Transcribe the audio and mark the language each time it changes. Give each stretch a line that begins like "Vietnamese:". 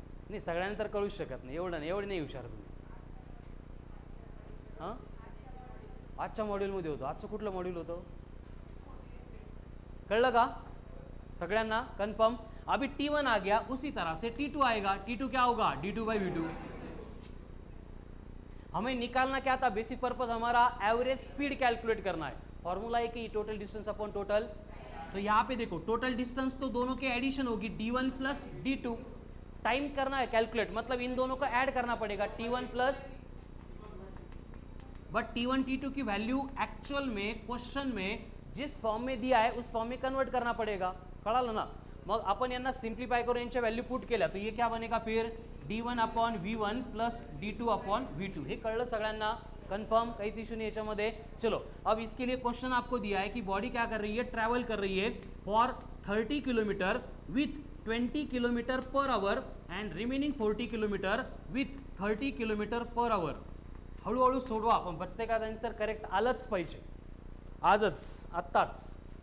Marathi: नाही सगळ्यांना तर कळू शकत नाही, एवढं नाही, एवढं नाही हुशार तुम्ही। हां आजच्या मॉड्यूलमध्ये होतो, आजचं कुठलं मॉड्यूल होतं, कळलं का सगळ्यांना कन्फर्म?
Hindi: अभी T1 आ गया, उसी तरह से T2 आएगा, T2 क्या होगा, D2 बाय V2। हमें निकालना क्या था, बेसिक पर्पज हमारा एवरेज स्पीड कैलकुलेट करना है, फॉर्मूला है कि टोटल डिस्टेंस अपॉन टोटल। तो यहाँ पे देखो टोटल डिस्टेंस तो दोनों के एडिशन होगी D1 प्लस D2, टाइम करना है कैलकुलेट, मतलब इन दोनों को ऐड करना पड़ेगा T1 plus, but T1 T2 की वैल्यू एक्चुअल में क्वेश्चन में जिस फॉर्म में दिया है उस फॉर्म में कन्वर्ट करना पड़ेगा, कळा लो ना। मग अपन यहां सिंप्लीफाई करो, इनका वैल्यू पुट केला तो ये क्या बनेगा फिर, D one upon we one plus D two upon we to.
Marathi: कळलं सगळ्यांना, कन्फर्म,
Hindi: कहीं इश्यू नहीं
Marathi: याच्यामध्ये।
Hindi: चलो अब इसके लिए क्वेश्चन आपको दिया है कि बॉडी क्या कर रही है, ट्रैवल कर रही है for 30 kilometre with 20 kilometre per hour and remaining 40 kilometre with 30 kilometre per hour.
Marathi: हळूहळू सोडवा, पण प्रत्येकाचं आंसर करेक्ट आलंच पाहिजे, आजच आत्ताच।